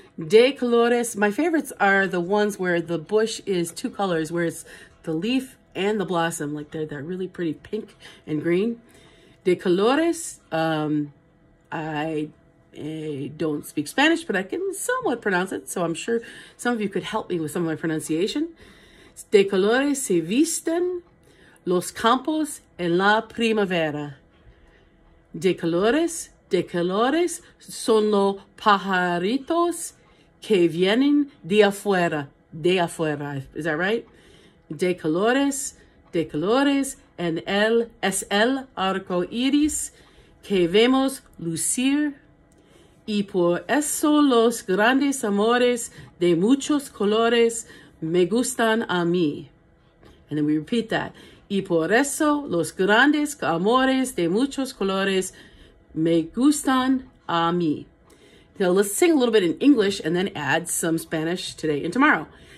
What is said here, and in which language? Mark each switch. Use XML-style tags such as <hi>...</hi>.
<en>De colores, my favorites are the ones where the bush is two colors, where it's the leaf and the blossom, like they're that really pretty pink and green. De colores, I don't speak Spanish, but I can somewhat pronounce it, so I'm sure some of you could help me with some of my pronunciation.</en> <es>De colores se visten los campos en la primavera. De colores son los pajaritos que vienen de afuera. De afuera,</es> <en>is that right?</en> <es>De colores en el, es el arco iris que vemos lucir. Y por eso los grandes amores de muchos colores me gustan a mí.</es> <en>And then we repeat that.</en> <es>Y por eso los grandes amores de muchos colores me gustan a mí.</es> <en>Now let's sing a little bit in English and then add some Spanish today and tomorrow.</en>